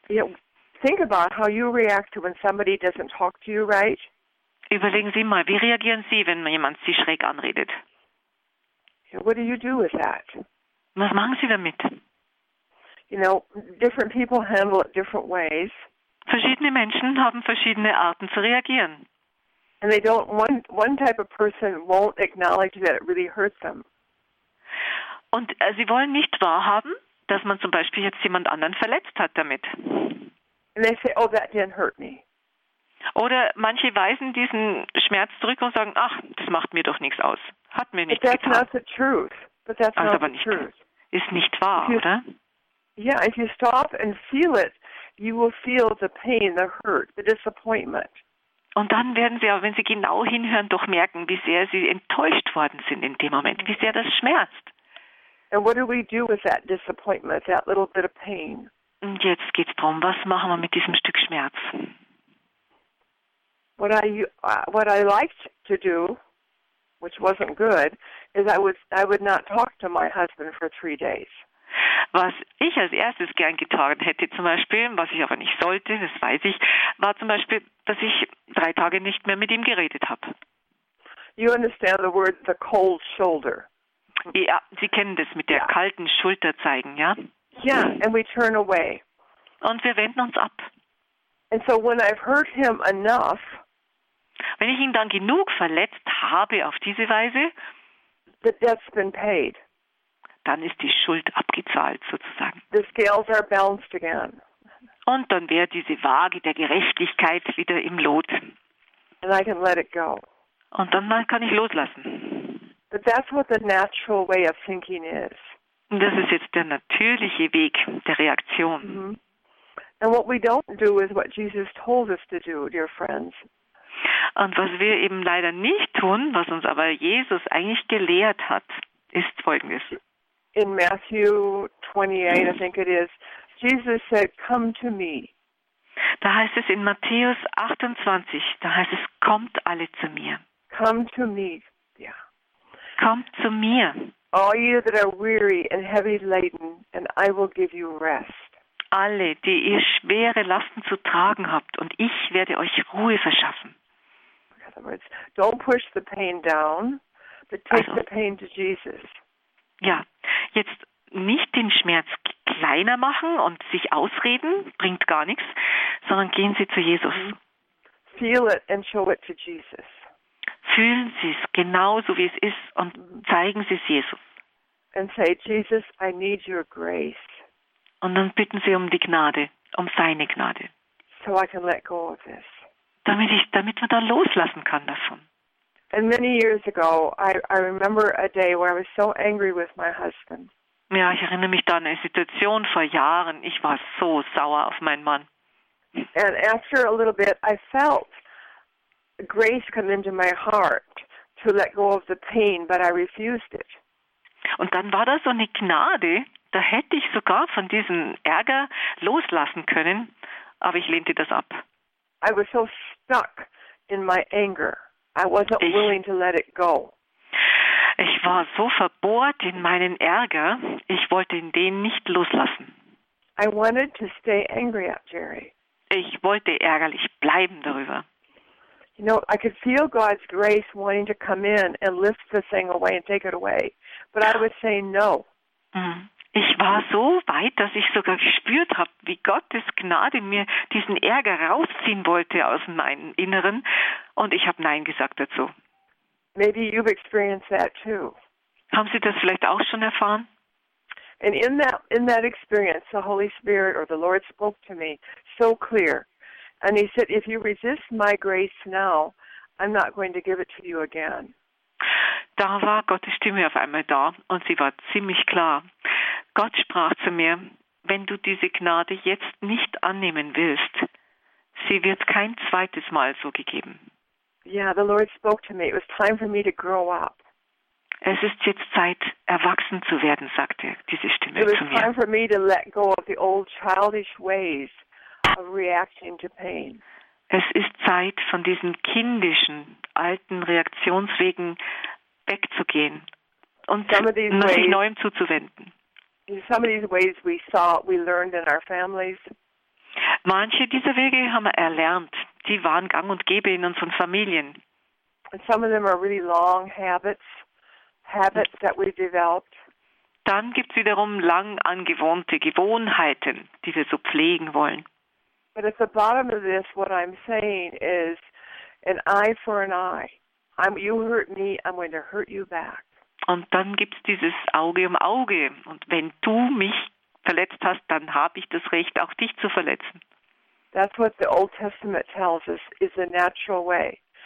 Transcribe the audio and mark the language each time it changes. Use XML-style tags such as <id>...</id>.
<en>Yeah, think about how you react when somebody doesn't talk to you right.</en> <de>Überlegen Sie mal, wie reagieren Sie, wenn jemand Sie schräg anredet?</de> <en>Yeah, what do you do with that?</en> <de>Was machen Sie damit?</de> <en>You know, different people handle it different ways.</en> <de>Verschiedene Menschen haben verschiedene Arten zu reagieren.</de> <en>And they don't one type of person won't acknowledge that it really hurt them.</en> <de>Und sie wollen nicht wahrhaben, dass man zum Beispiel jetzt jemand anderen verletzt hat damit.</de> <en>And they say, oh, that didn't hurt me.</en> <de>Oder manche weisen diesen Schmerz zurück und sagen, ach, das macht mir doch nichts aus, hat mir nichts getan.</de> <en>But that's not the truth. But that's also not</en> <de>aber</de> <en>the</en> <de>nicht,</de> <en>truth.</en> <de>Ist nicht wahr, oder?</de> <en>Yeah, if you stop and feel it, you will feel the pain, the hurt, the disappointment.</en> <de>Und dann werden Sie, wenn Sie genau hinhören, doch merken, wie sehr Sie enttäuscht worden sind in dem Moment, wie sehr das schmerzt.</de> <en>And what do we do with that disappointment, that little bit of pain?</en> <de>Und jetzt geht's drum, was machen wir mit diesem Stück Schmerz?</de> <en>What I liked to do, which wasn't good, is I would not talk to my husband for 3 days.</en> <de>Was ich als erstes gern getan hätte zum Beispiel, was ich aber nicht sollte, das weiß ich, war zum Beispiel, dass ich 3 Tage nicht mehr mit ihm geredet habe.</de> <en>You understand the word the cold shoulder.</en> <de>Ja, Sie kennen das mit der kalten Schulter zeigen, ja?</de> <en>Yeah, and we turn away.</en> <de>Und wir wenden uns ab.</de> <en>And so when I've hurt him enough,</en> <de>Wenn ich ihn dann genug verletzt habe auf diese Weise,</de> <en>the debt's been paid.</en> <de>Dann ist die Schuld abgezahlt sozusagen.</de> <en>The scales are balanced again.</en> <de>Und dann wäre diese Waage der Gerechtigkeit wieder im Lot.</de> <en>And I can let it go.</en> <de>Und dann kann ich loslassen.</de> <en>But that's what the natural way of thinking is.</en> <de>Und das ist jetzt der natürliche Weg der Reaktion. Mm-hmm.</de> <en>And what we don't do is what Jesus told us to do, dear friends.</en> <de>Und was wir eben leider nicht tun, was uns aber Jesus eigentlich gelehrt hat, ist Folgendes.</de> <en>In Matthew 28, I think it is, Jesus said, come to me.</en> <de>Da heißt es in Matthäus 28, da heißt es, kommt alle zu mir.</de> <en>Come to me, yeah.</en> <de>Kommt zu mir.</de> <en>All you that are weary and heavy laden, and I will give you rest.</en> <de>Alle, die ihr schwere Lasten zu tragen habt, und ich werde euch Ruhe verschaffen.</de> <en>In other words, don't push the pain down, but take the pain to Jesus.</en> <de>Ja, jetzt nicht den Schmerz kleiner machen und sich ausreden, bringt gar nichts, sondern gehen Sie zu Jesus.</de> <en>Feel it and show it to Jesus.</en> <de>Fühlen Sie es genauso, wie es ist, und zeigen Sie es Jesus.</de> <en>And say, Jesus, I need your grace.</en> <de>Und dann bitten Sie um die Gnade, um seine Gnade.</de> <en>So I can let go of this.</en> <de>Damit man da loslassen kann davon.</de> <en>And many years ago, I remember a day where I was so angry with my husband.</en> <de>Ja, ich erinnere mich da an eine Situation vor Jahren. Ich war so sauer auf meinen Mann.</de> <en>And after a little bit, I felt grace come into my heart to let go of the pain, but I refused it.</en> <de>Und dann war da so eine Gnade, da hätte ich sogar von diesem Ärger loslassen können, aber ich lehnte das ab.</de> <en>I was so stuck in my anger. I wasn't willing to let it go.</en> <de>Ich war so verbohrt in meinen Ärger, ich wollte den nicht loslassen.</de> <en>I wanted to stay angry at Jerry.</en> <de>Ich wollte ärgerlich bleiben darüber.</de> <en>You know, I could feel God's grace wanting to come in and lift the thing away and take it away. But I would say no.</en> <de>Ich war so weit, dass ich sogar gespürt habe, wie Gottes Gnade mir diesen Ärger rausziehen wollte aus meinem Inneren. Und ich habe Nein gesagt dazu.</de> <en>Maybe you've experienced that too.</en> <de>Haben Sie das vielleicht auch schon erfahren?</de> <en>And in that experience, the Holy Spirit or the Lord spoke to me so clear. And he said, if you resist my grace now, I'm not going to give it to you again.</en> <de>Da war Gottes Stimme auf einmal da und sie war ziemlich klar. Gott sprach zu mir, wenn du diese Gnade jetzt nicht annehmen willst, sie wird kein zweites Mal so gegeben.</de> <en>Yeah, the Lord spoke to me. It was time for me to grow up.</en> <de>Es ist jetzt Zeit, erwachsen zu werden, sagte diese Stimme zu mir.</de> <en>It was time for me to let go of the old childish ways of reacting to pain.</en> <de>Es ist Zeit, von diesen kindischen, alten Reaktionswegen wegzugehen und sich neuem zuzuwenden.</de> <en>Some of these ways we saw, we learned in our families.</en> <de>Manche dieser Wege haben wir erlernt. Die waren gang und gäbe in unseren Familien.</de> <en>And some of them are really long habits that we developed.</en> <de>Dann gibt es wiederum lang angewohnte Gewohnheiten, die wir so pflegen wollen.</de> <en>But at the bottom of this, what I'm saying is an eye for an eye. You hurt me, I'm going to hurt you back.</en> <de>Und dann gibt es dieses Auge um Auge. Und wenn du mich verletzt hast, dann habe ich das Recht, auch dich zu verletzen.</de> <en>That's what the Old Testament tells us is the natural way.</en>